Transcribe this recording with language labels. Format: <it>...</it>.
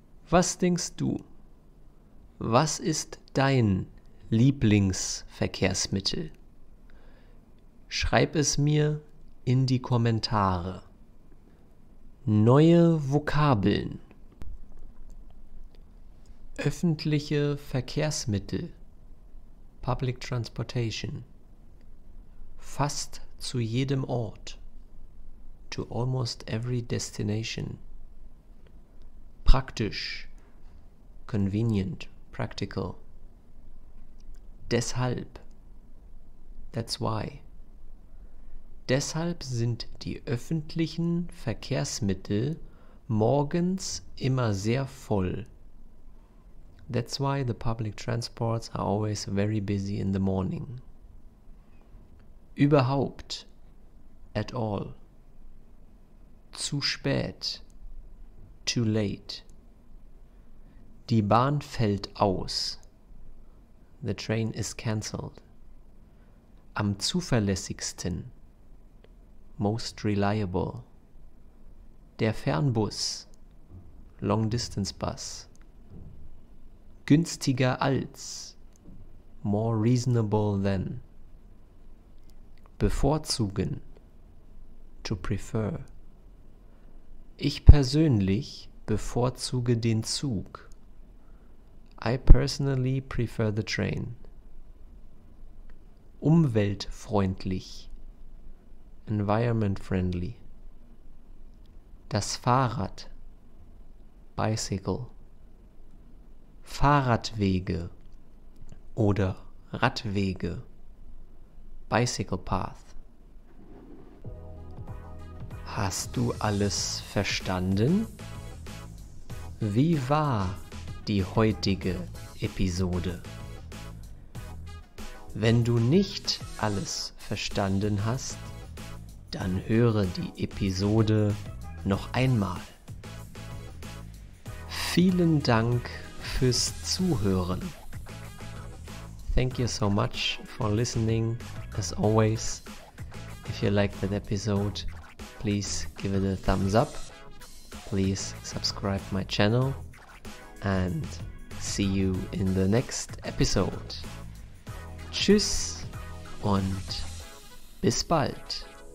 <de>Was denkst du? Was ist dein Lieblingsverkehrsmittel? Schreib es mir in die Kommentare. Neue Vokabeln. Öffentliche Verkehrsmittel.</de> <en>Public Transportation.</en> <de>Fast zu jedem Ort.</de> <en>To almost every destination. Praktisch. Convenient. Practical. Deshalb. That's why.</en> <de>Deshalb sind die öffentlichen Verkehrsmittel morgens immer sehr voll.</de> <en>That's why the public transports are always very busy in the morning.</en> <de>Überhaupt.</de> <en>At all.</en> <de>Zu spät.</de> <en>Too late.</en> <de>Die Bahn fällt aus.</de> <en>The train is cancelled.</en> <de>Am zuverlässigsten.</de> <en>Most reliable.</en> <de>Der Fernbus.</de> <en>Long distance bus.</en> <de>Günstiger als.</de> <en>More reasonable than. Bevorzugen. To prefer.</en> <de>Ich persönlich bevorzuge den Zug.</de> <en>I personally prefer the train. Umweltfreundlich. Environment friendly.</en> <de>Das Fahrrad. Bicycle. Fahrradwege oder Radwege.</de> <en>Bicycle path.</en> <de>Hast du alles verstanden? Wie war die heutige Episode? Wenn du nicht alles verstanden hast, dann höre die Episode noch einmal. Vielen Dank fürs Zuhören.</de> <en>Thank you so much for listening, as always. If you liked that episode, please give it a thumbs up. Please subscribe my channel. And see you in the next episode.</en> <de>Tschüss und bis bald.</de>